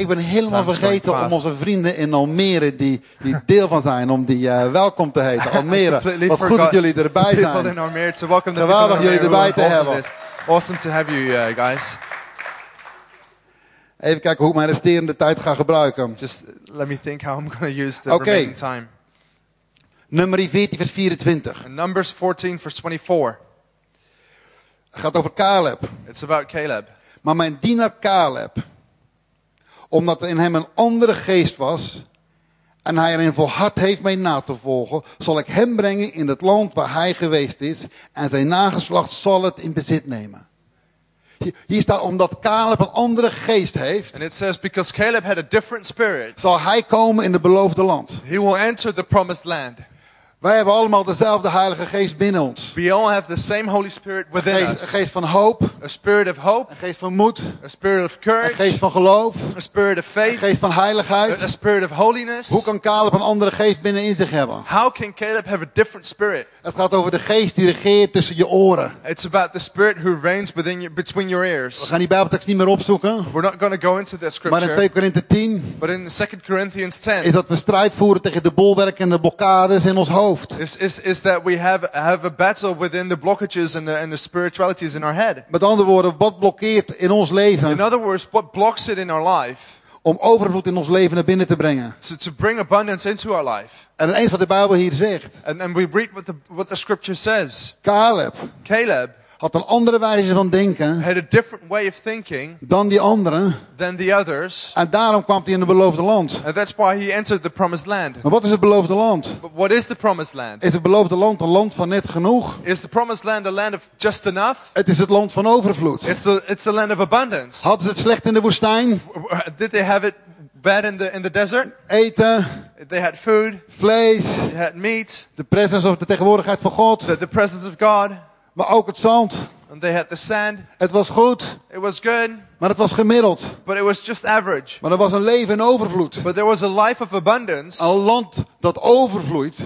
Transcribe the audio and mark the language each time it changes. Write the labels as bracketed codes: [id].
[nl] ik ben helemaal vergeten om onze vrienden in Almere, die deel van zijn, om die welkom te heten. Almere, wat goed dat jullie erbij zijn. [en] People in Almere to welcome them. [nl] Geweldig jullie erbij te hebben. [en] Awesome to have you guys. [nl] Even kijken hoe ik mijn resterende tijd ga gebruiken. [en] Just let me think how I'm going to use the remaining time. [nl] Nummer 14 vers 24. [en] And Numbers 14 vers 24. [nl] Het gaat over Caleb. [en] It's about Caleb. [nl] Maar mijn dienaar Caleb, omdat er in hem een andere geest was en hij erin volhard heeft mij na te volgen, zal ik hem brengen in het land waar hij geweest is en zijn nageslacht zal het in bezit nemen. Hier staat omdat Caleb een andere geest heeft. [en] And it says because Caleb had a different spirit. [nl] Zal hij komen in het beloofde land. [en] He will enter the promised land. [nl] Wij hebben allemaal dezelfde Heilige Geest binnen ons. [en] We all have the same Holy Spirit within [nl] geest, [en] us. [nl] Een geest van hoop. [en] A spirit of hope. [nl] Een geest van moed. [en] A spirit of courage. [nl] Een geest van geloof. [en] A spirit of faith. [nl] Een geest van heiligheid. [en] A spirit of holiness. [nl] Hoe kan Caleb een andere geest binnen in zich hebben? [en] How can Caleb have a different spirit? [nl] Het gaat over de geest die regeert tussen je oren. [en] It's about the spirit who reigns within you, between your ears. [nl] We gaan die Bijbeltekst niet meer opzoeken. [en] We're not going to go into this scripture. [nl] Maar in 2 Korinthe 10. [en] But in 2 Corinthians 10. [nl] Is dat we strijd voeren tegen de bolwerken en de blokkades in ons hoofd. [en] Is that we have a battle within the blockages and the spiritualities in our head. [nl] Met andere woorden, wat blokkeert in ons leven? [en] In other words, what blocks it in our life? [nl] Om overvloed in ons leven naar binnen te brengen. [en] To bring abundance into our life. [nl] En eens wat de Bijbel hier zegt. [en] And we read what the scripture says. [nl] Caleb had een andere wijze van denken. [en] Had a different way of thinking. [nl] Dan die anderen. [en] Than the others. [nl] En daarom kwam hij in het beloofde land. [en] And that's why he entered the promised land. [nl] Maar wat is het beloofde land? [en] But what is the promised land? [nl] Is het beloofde land een land van net genoeg? [en] Is the promised land a land of just enough? [nl] Het is het land van overvloed. [en] It's the land of abundance. [nl] Hadden ze het slecht in de woestijn? [en] Did they have it bad in the desert? [nl] Eten. [en] They had food. [nl] Vlees. [en] They had meat. [nl] De presence of de tegenwoordigheid van God. [en] The presence of God. [nl] Maar ook het zand. [en] And they had the sand. [nl] Het was goed. [en] It was good. [nl] Maar het was gemiddeld. [en] But it was just average. [nl] Maar er was een leven in overvloed. [en] But there was a life of abundance. [nl] Een land dat overvloeit.